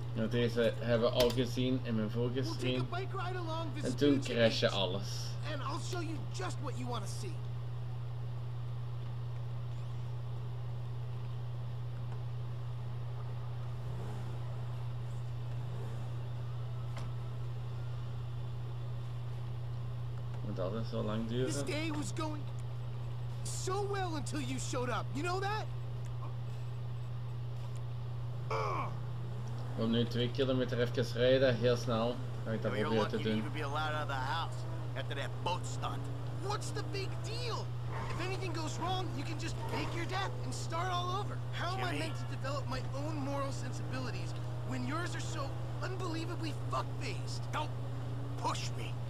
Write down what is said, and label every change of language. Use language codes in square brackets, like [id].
[nl] Deze hebben we al gezien in mijn vorige stream. En toen crash je alles. [en] And I'll show you just what you want to see. [nl] dat is zo lang duren. [en] This day was going so well until you showed up. You know that? [nl] We moeten nu 2 kilometer even rijden, heel snel. Ga ik dat proberen te doen. [en] You're lucky to even be allowed out of the house after that boat stunt. What's the big deal? If anything goes wrong, you can just fake your death and start all over. How am I meant to develop my own moral sensibilities when yours are so unbelievably fuck-based? Don't push me.